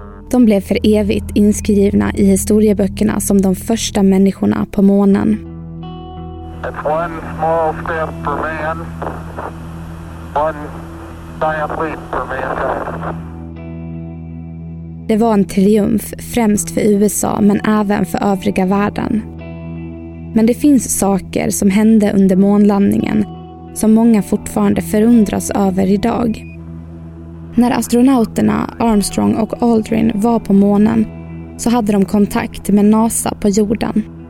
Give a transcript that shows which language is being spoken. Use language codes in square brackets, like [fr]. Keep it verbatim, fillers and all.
[sv] De blev för evigt inskrivna i historieböckerna som de första människorna på månen. [en] It's one small step for man, one giant leap for mankind. [sv] Det var en triumf främst för U S A men även för övriga världen. Men det finns saker som hände under månlandningen som många fortfarande förundras över idag. När astronauterna Armstrong och Aldrin var på månen så hade de kontakt med NASA på jorden.